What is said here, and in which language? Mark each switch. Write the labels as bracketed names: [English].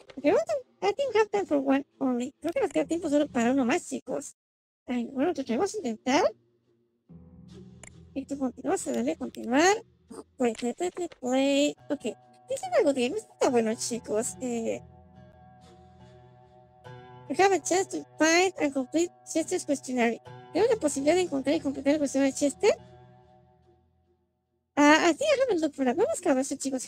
[English] Okay, I think we have time for one only. [Spanish] Creo que nos queda tiempo solo para uno más, chicos. Bueno, lo vamos a intentar. Y tú continúas, dale a continuar. Play. Ok. Dice algo de game. Está bueno, chicos. [English] We have a chance to find and complete Chester's questionnaire. [Spanish] ¿Tengo la posibilidad de encontrar y completar el cuestionario de Chester? [English] I think I haven't looked for that. [Spanish] No he buscado eso, chicos.